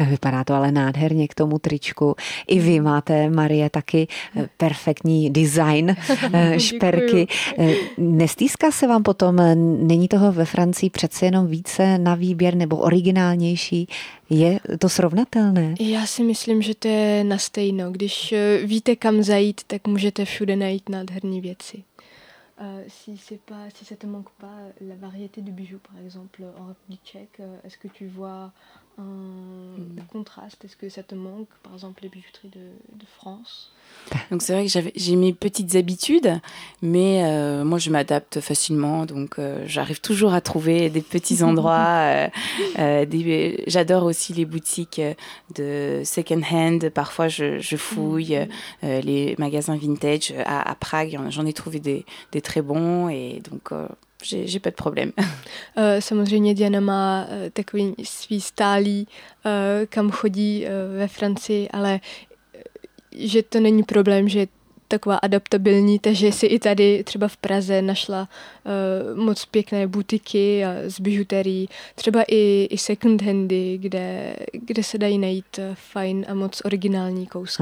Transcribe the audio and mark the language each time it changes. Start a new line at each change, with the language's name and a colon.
Czech: Vypadá to ale nádherně k tomu tričku. I vy máte, Marie, taky perfektní design šperky. Nestýská se vám potom, není toho ve Francii přece jenom více na výběr nebo originálnější? Je to srovnatelné? Já si myslím, že to je na stejno. Když víte, kam zajít, tak můžete všude najít nádherné věci.
French: Si c'est pas si ça te manque pas la variété de bijoux par exemple en République tchèque, est-ce que tu vois un contraste, est-ce que ça te manque par exemple les bijouteries de France? Donc c'est vrai que j'ai mes petites habitudes, mais moi je m'adapte facilement, donc j'arrive toujours à trouver des petits endroits. J'adore aussi les boutiques de second hand. Parfois je fouille les magasins vintage à Prague. J'en ai trouvé des très bons et donc j'ai pas de problème.
Czech: Samozřejmě Diana má takový svý stálý, kam chodí ve Francii, ale že to není problém, že je taková adaptabilní, takže si i tady třeba v Praze našla moc pěkné butiky s bižuterií, třeba i second handy, kde se dají najít fajn a moc originální kousky.